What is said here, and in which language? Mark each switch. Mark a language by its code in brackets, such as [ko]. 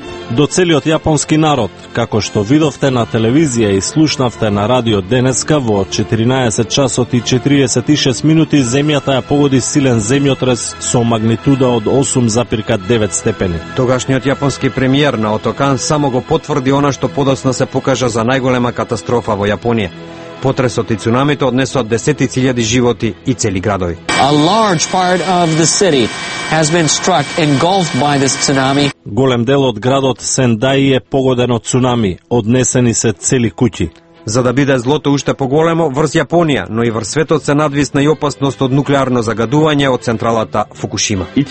[mk] до целиот јапонски народ, како што видовте на телевизија и слушнавте на радио денеска во 14 часот и 46 минути, земјата ја погоди силен земјотрес со магнитуда од 8,9 степени. Тогашниот јапонски премиер Наото Кан само го потврди она што подоцна се покажа за најголема катастрофа во Јапонија. Потресот и цунамито однесоа десети цилјади животи и цели градови. [en] A large part of the city has been struck, engulfed by this tsunami. [mk] Голем дел од градот Сендаи е погоден од цунами, однесени се цели куќи. За да биде злото уште поголемо врз Јапонија, но и врз светот, се надвисна и опасност од нуклеарно загадување од централата Фукушима.